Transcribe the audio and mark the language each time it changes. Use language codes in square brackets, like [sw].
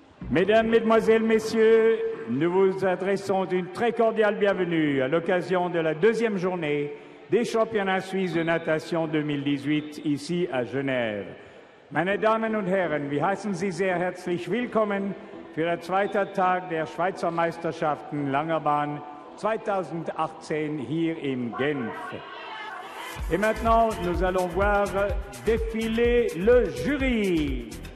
[fr] Mesdames, Mesdemoiselles, Messieurs, nous vous adressons une très cordiale bienvenue à l'occasion de la deuxième journée des championnats suisses de natation 2018 ici à Genève. [de] Meine Damen und Herren, wir heißen Sie sehr herzlich willkommen für den zweiten Tag der Schweizer Meisterschaften Langerbahn 2018 hier in Genf. [fr] Et maintenant, nous allons voir défiler le jury.